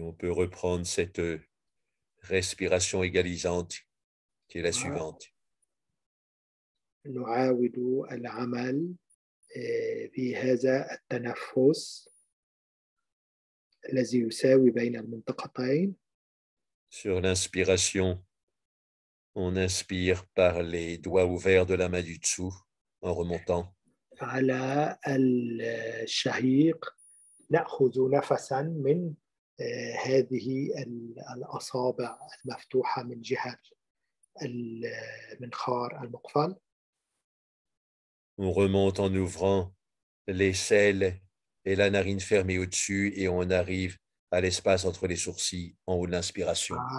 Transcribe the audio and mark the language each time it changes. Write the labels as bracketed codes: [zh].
[fr] on peut reprendre cette respiration égalisante qui est la suivante. [ar] نعاود العمل في هذا التنفس الذي يساوي بين المنطقتين. [fr] Sur l'inspiration, on inspire par les doigts ouverts de la main du dessous en remontant. [ar] على الشهيق نأخذ نفسا من هذه الأصابع المفتوحة من جهة المنخار المقفل. [fr] On remonte en ouvrant les selles et la narine fermée au-dessus et on arrive à l'espace entre les sourcils en haut de l'inspiration.